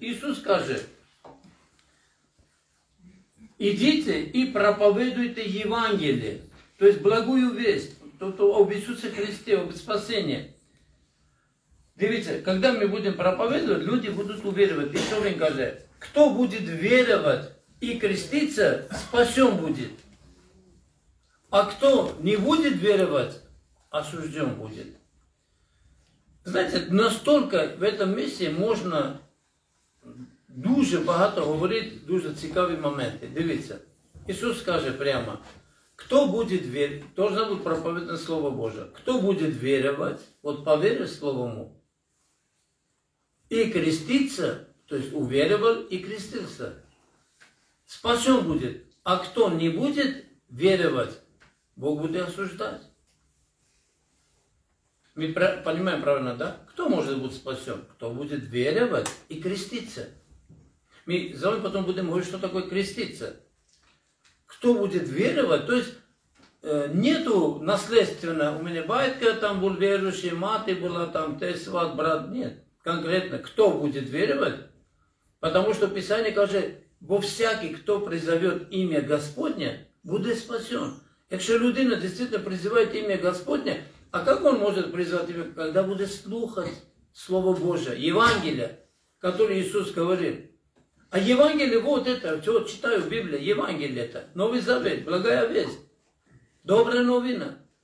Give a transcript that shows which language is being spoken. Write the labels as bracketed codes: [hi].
[ru] Иисус скажет, идите и проповедуйте Евангелие, то есть благую весть, то об Иисусе Христе, об спасении. Дивіться, когда мы будем проповедовать, люди будут уверовать. Еще один говорит, кто будет веровать и креститься, спасен будет. А кто не будет веровать, осужден будет. Знаете, настолько в этом месте можно дуже багато говорить, дуже цікаві моменти. Дивіться, Иисус скажет прямо, кто будет веровать, должно быть проповедано Слово Божие. Кто будет веровать, вот поверив Словому, и креститься, то есть уверовал и крестился, спасен будет. А кто не будет веровать, Бог будет осуждать. Мы понимаем правильно, да? Кто может быть спасен? Кто будет веровать и креститься? Мы за вами потом будем говорить, что такое креститься. Кто будет веровать, то есть нету наследственно. У меня батька там был верующий, мать была там, тесть, сват, брат, нет. Конкретно, кто будет веровать? Потому что Писание говорит, во всякий, кто призовет имя Господне, [uk] буде спасен. Якщо людина дійсно призиває ім'я Господнє, а як він може призивати ім'я, коли буде слухати Слово Боже, Євангелія, яке Ісус говорив. А Євангелія, от це, цього читаю в Біблії, Євангелія це, Новий Завет, Благая Весть, Добра Новина.